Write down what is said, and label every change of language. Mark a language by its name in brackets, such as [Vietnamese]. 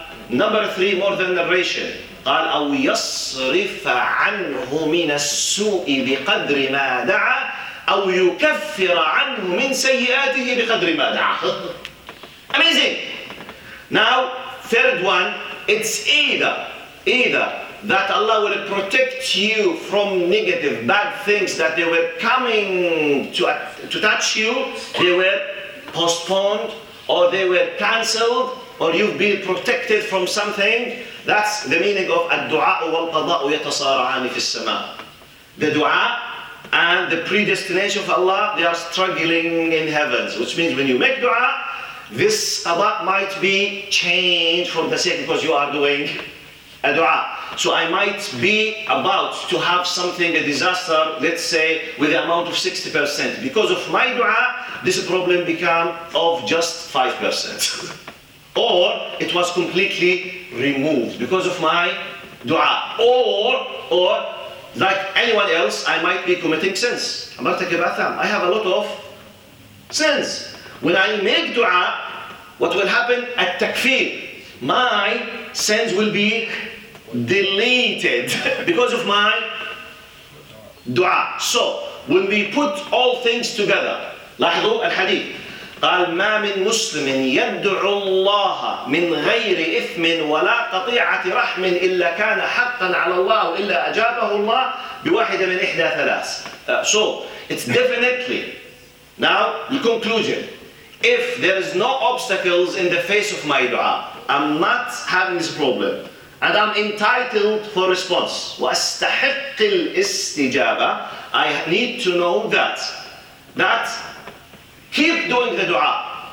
[English] Number three, more than narration. [Arabic] قال أو يصرف عنه من السوء بقدر ما دعا أو يكفر عنه من سيئاته بقدر ما دعا. [English] Amazing. Now, third one. It's either that Allah will protect you from negative, bad things that they were coming to touch you, they were postponed, or they were cancelled, or you've been protected from something. That's the meaning of الدُّعَاء وَالْقَضَاءُ يَتَصَارَعَانِ فِي السَّمَاءِ. The dua and the predestination of Allah, they are struggling in heavens, which means when you make dua, this qada might be changed for the sake, because you are doing a dua. So I might be about to have something, a disaster, let's say, with the amount of 60%. Because of my dua, this problem become of just 5%. Or it was completely removed because of my dua. Or like anyone else, I might be committing sins. I have a lot of sins. When I make dua, what will happen? At takfir, my sins will be deleted because of my dua. So when we put all things together, [Arabic] لاحظوا الحديث. قال ما من مسلم يدعو الله من غير إثم ولا قطيعة رحم إلا كان حقا على الله إلا أجابه الله بواحدة من إحدى ثلاث. [English] So it's definitely now the conclusion. If there is no obstacles in the face of my dua, I'm not having this problem, and I'm entitled for response. [Arabic] وأستحق الاستجابة. [English] I need to know that keep doing the dua.